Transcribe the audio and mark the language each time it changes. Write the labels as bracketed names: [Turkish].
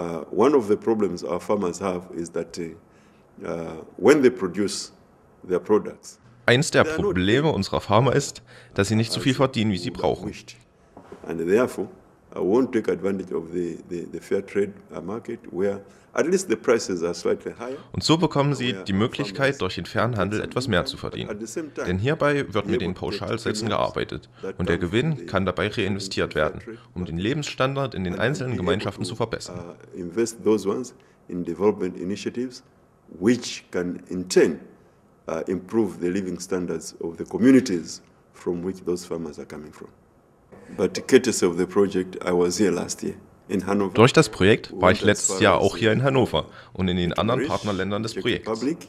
[English] One of the problems our farmers have is that when they produce their products. [German] Eins der Probleme unserer Farmer ist, dass sie nicht so viel verdienen, wie sie brauchen. [English] And therefore, I won't take advantage of the fair trade market where at least the prices are slightly higher. [German] Und so bekommen sie die Möglichkeit, durch den fairen Handel etwas mehr zu verdienen. Denn hierbei wird mit den Pauschalsätzen gearbeitet und der Gewinn kann dabei reinvestiert werden, um den Lebensstandard in den einzelnen Gemeinschaften zu verbessern. [English] Invest those ones in development initiatives which can in turn improve the living standards of the communities from which those farmers are coming from. But the catalyst of the project, I was here last year. [German] Durch das Projekt war ich letztes Jahr auch hier in Hannover und in den anderen Partnerländern des Projekts.